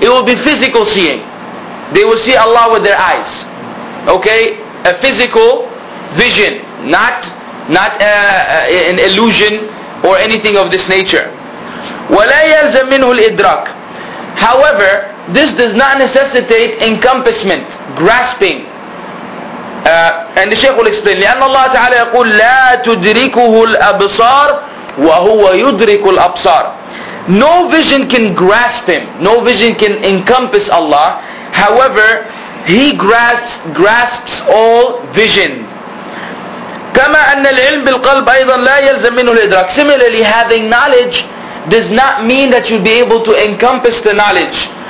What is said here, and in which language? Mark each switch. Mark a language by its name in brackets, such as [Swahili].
[English] It will be physical seeing. They will see Allah with their eyes. Okay? A physical vision. Not an illusion or anything of this nature. [Arabic] وَلَا يَلْزَمْ مِنْهُ الْإِدْرَاكِ. [English] However, this does not necessitate encompassment, grasping. And the Shaykh will explain, [Arabic] لِأَنَّ اللَّهَ تَعَالَى يَقُولُ لَا تُدْرِكُهُ الْأَبْصَارُ وَهُوَ يُدْرِكُ الْأَبْصَارُ. [English] No vision can grasp him. No vision can encompass Allah. However, he grasps all vision. [Arabic] كَمَا أَنَّ الْعِلْمِ بِالْقَلْبِ أَيْضًا لَا يَلْزَمْ مِنُهُ الْإِدْرَاكُ. [English] Similarly, having knowledge does not mean that you'll be able to encompass the knowledge.